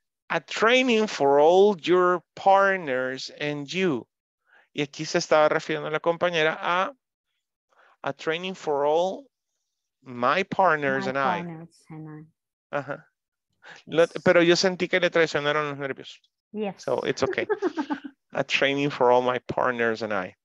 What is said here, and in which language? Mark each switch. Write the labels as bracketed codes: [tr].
[en] A training for all your partners and you. [es] Y aquí se estaba refiriendo a la compañera [en] a training for all. My partners and I. Uh-huh. Yes. [es] Pero yo sentí que le traicionaron los nervios. [en] Yes. So it's okay. A training for all my partners and I.